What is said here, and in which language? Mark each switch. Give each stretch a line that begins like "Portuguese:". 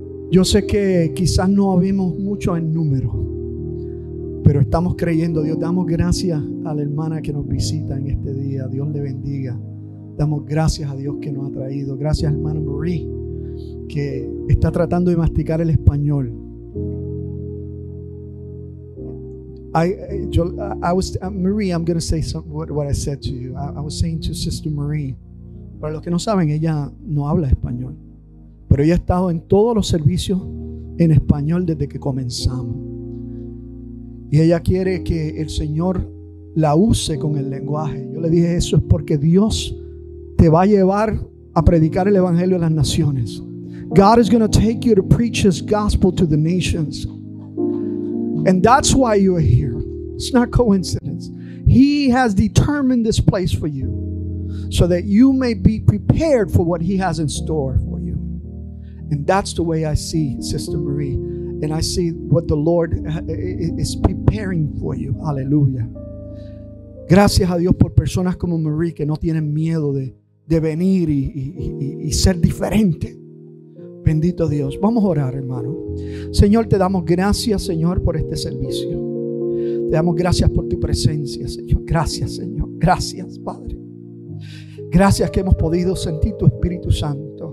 Spanish: Yo sé que quizás no habemos mucho en número, pero estamos creyendo. Dios, damos gracias a la hermana que nos visita en este día. Dios le bendiga. Damos gracias a Dios que nos ha traído. Gracias, hermana Marie, que está tratando de masticar el español.
English: Marie, I'm going to say what I said to you. I was saying to Sister Marie,
Spanish: para los que no saben, ella no habla español, pero ella ha estado en todos los servicios en español desde que comenzamos. Y ella quiere que el Señor la use con el lenguaje. Yo le dije, eso es porque Dios te va a llevar a predicar el Evangelio a las naciones.
English: God is going to take you to preach His gospel to the nations. And that's why you are here. It's not coincidence. He has determined this place for you so that you may be prepared for what He has in store for you. And that's the way I see Sister Marie. And I see what the Lord is preparing for you.
Spanish: Aleluya. Gracias a Dios por personas como Marie que no tienen miedo de venir y ser diferente. Bendito Dios. Vamos a orar, hermano. Señor, te damos gracias, Señor, por este servicio. Te damos gracias por tu presencia, Señor. Gracias, Señor. Gracias, Padre. Gracias que hemos podido sentir tu Espíritu Santo.